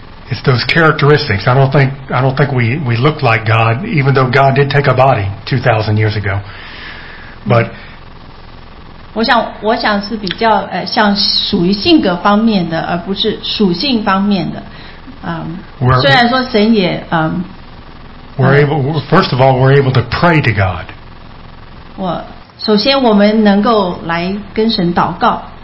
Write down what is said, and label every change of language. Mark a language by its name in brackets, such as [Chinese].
[English] It's those characteristics. I don't think we look like God, even though God did take a body 2,000 years ago. But [Chinese] 我想是比较像属于性格方面的，而不是属性方面的。虽然说神也 [English] First of all, we're able to pray to God. [Chinese] 首先我们能够来跟神祷告。